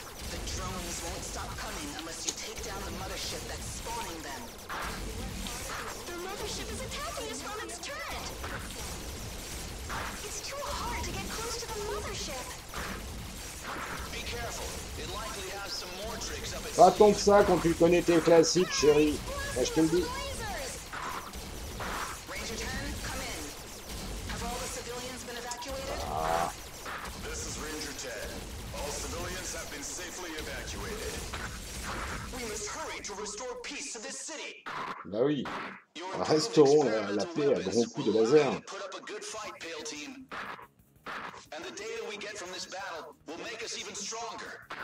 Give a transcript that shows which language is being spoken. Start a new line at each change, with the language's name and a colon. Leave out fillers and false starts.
English: The drones won't stop coming unless you take down the mothership that's spawning them. The mothership is attacking us from its turret. It's too hard to get close to the mothership. Be careful. It likely has some more tricks up its sleeve.
French: Pas tant que ça quand tu connais tes classiques, chérie. Là, je te le dis.
English: Ranger 10, come in. Have all the civilians been evacuated? Ah. This is Ranger 10. All civilians have been safely evacuated. We must hurry to restore peace to this city.
French: Bah oui. Restaurons la paix à grands coups de laser.
English: Put up a good fight, Pale Team. and the data we get from this battle will make us even stronger.